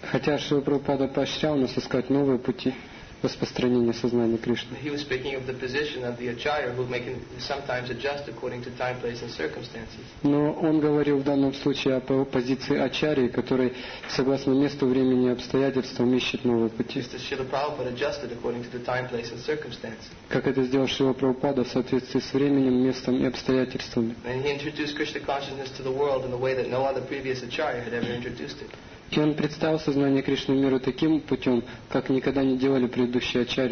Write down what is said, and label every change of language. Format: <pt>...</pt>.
<ru>Хотя Шрила Прабхупада поощрял нас искать новые пути распространения сознания Кришны.</ru> <en>He was speaking of the position of the acharya who may sometimes adjust according to time, place and circumstances.</en> <ru>Но он говорил в данном случае о позиции ачарьи, который согласно месту, времени и обстоятельствам ищет новые пути.</ru> <en>Srila Prabhupada adjusted according to the time, place and circumstances.</en> <ru>Как это сделал Шрила Прабхупада в соответствии с временем, местом и обстоятельствами.</ru> <en>And he introduced Krishna consciousness to the world in a way that no other previous acharya had ever introduced it.</en> <ru>И он представил сознание Кришны миру таким путем, как никогда не делали предыдущие</ru>